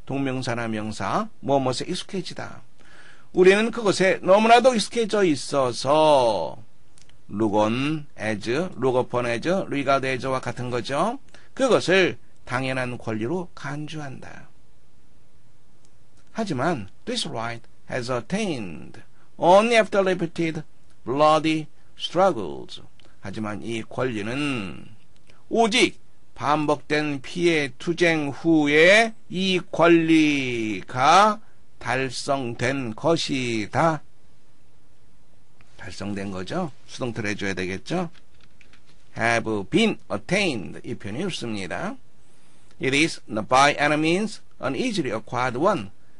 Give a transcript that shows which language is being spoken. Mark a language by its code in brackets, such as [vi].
[ko] 동명사나 명사. 무엇에 익숙해지다. 우리는 그것에 너무나도 익숙해져 있어서 [en] look on as, look upon as, regard as [ko] 와 같은 거죠. 그것을 당연한 권리로 간주한다. 하지만 [en] this right has attained only after repeated bloody struggles. [ko] 하지만 이 권리는 오직 반복된 피해 투쟁 후에 이 권리가 달성된 것이다. 달성된 거죠. 수동태를 해줘야 되겠죠. [en] Have been attained. [ko] 이 표현이 없습니다. [en] It is not by any means an easily acquired one.